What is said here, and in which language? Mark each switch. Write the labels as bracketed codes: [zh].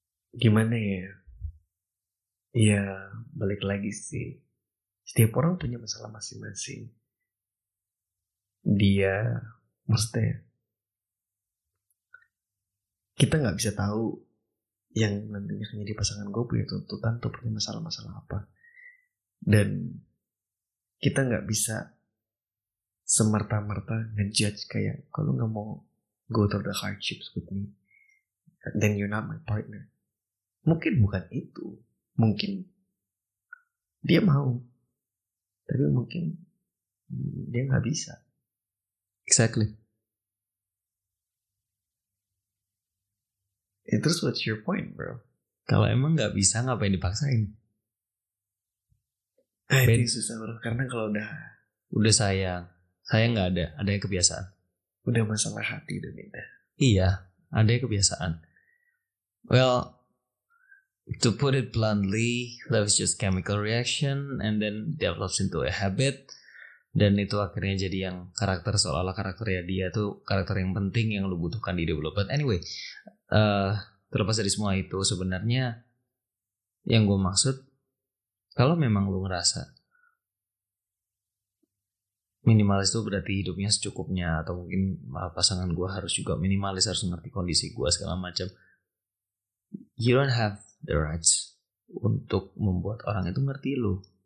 [id] Gimana ya? Ya, balik lagi sih. Setiap orang punya masalah masing-masing. Dia, maksudnya, kita gak bisa tahu yang nantinya menjadi pasangan gue punya tuntutan atau punya masalah-masalah apa. Dan kita gak bisa semerta-merta ngejudge kayak, kalau gak mau [en] go through the hardships with me, then you're not my partner. [id] Mungkin bukan itu. Mungkin dia mau, tapi mungkin dia gak bisa. [en] Exactly. Terus what's your point, bro? [id] Kalau emang gak bisa, ngapain dipaksain? Ini susah, bro. Karena kalau udah sayang, sayang gak ada, adanya kebiasaan. Udah masalah hati udah beda. Iya, adanya kebiasaan. [en] Well, to put it bluntly, love is just chemical reaction and then develops into a habit. [id] Dan itu akhirnya jadi yang karakter, seolah-olah karakternya dia tuh karakter yang penting yang lu butuhkan di hidup lu. [en] But anyway, [id] terlepas dari semua itu, sebenarnya yang gue maksud, kalau memang lu ngerasa minimalis itu berarti hidupnya secukupnya, atau mungkin pasangan gue harus juga minimalis, harus ngerti kondisi gue segala macam, [en] you don't have the rights [id] untuk membuat orang itu ngerti lu.